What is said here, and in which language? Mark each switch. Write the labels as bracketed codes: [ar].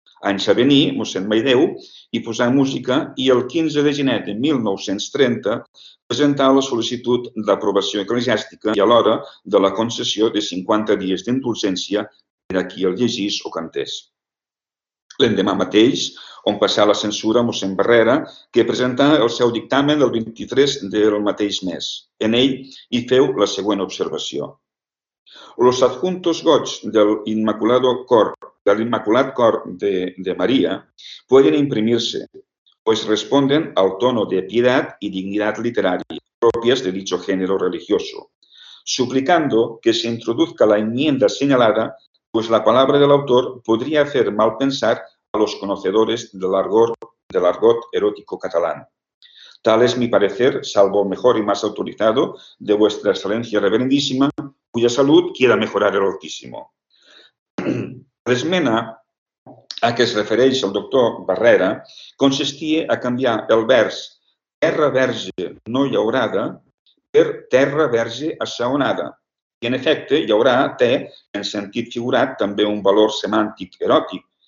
[ca] Anys a venir, mossèn Maideu hi posà música i el 15 de gener de 1930 presentà la sol·licitud d'aprovació eclesiàstica i alhora de la concessió de 50 dies d'indulgència per a qui el llegís o cantés. L'endemà mateix, on passà la censura mossèn Barrera, que presentà el seu dictamen el 23 del mateix mes. En ell hi feu la següent observació. [es] Los adjuntos goig del Inmaculado Cor, [ca] de l'Immaculat Cor de Maria, poden imprimir-se, [es] pues responden al tono de piedad [ca] i dignitat literària pròpies [es] de dicho género religioso, suplicando que se introduzca la enmienda señalada, pues la palabra del autor podría hacer mal pensar a los conocedores del argot erótico catalán. Tal es mi parecer, salvo mejor y más autorizado, de vuestra excelencia reverendísima, cuya salud quiera mejorar el altísimo. [ca] L'esmena a què es refereix el doctor Barrera consistia a canviar el vers «Terra verge no llaurada» per «Terra verge assaonada». I, en efecte, llaurà té, en sentit figurat, també un valor semàntic eròtic.